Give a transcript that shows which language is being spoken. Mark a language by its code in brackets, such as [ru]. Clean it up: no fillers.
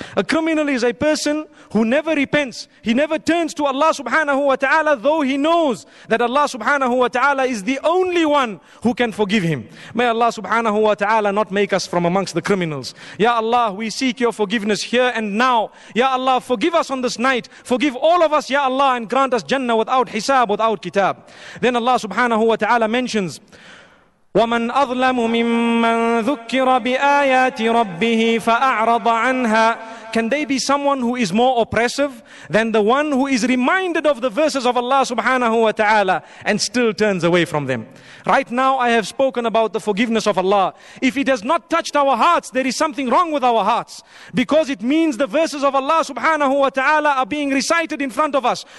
[en] A criminal is a person who never repents. He never turns to Allah subhanahu wa ta'ala, though he knows that Allah subhanahu wa ta'ala is the only one who can forgive him. May Allah subhanahu wa ta'ala not make us from amongst the criminals. Ya Allah, we seek your forgiveness here and now. Ya Allah, forgive us on this night. Forgive all of us, Ya Allah, and grant us Jannah without hisab, without kitab. Then Allah subhanahu wa ta'ala mentions, [ar] وَمَنْ أَظْلَمُ مِمَّنْ ذُكِّرَ بِآيَاتِ رَبِّهِ فَأَعْرَضَ عَنْهَا. [en] Can they be someone who is more oppressive than the one who is reminded of the verses of Allah subhanahu wa ta'ala and still turns away from them? Right now I have spoken about the forgiveness of Allah. If it has not touched our hearts, there is something wrong with our hearts, because it means the verses of Allah subhanahu wa ta'ala are being recited in front of us.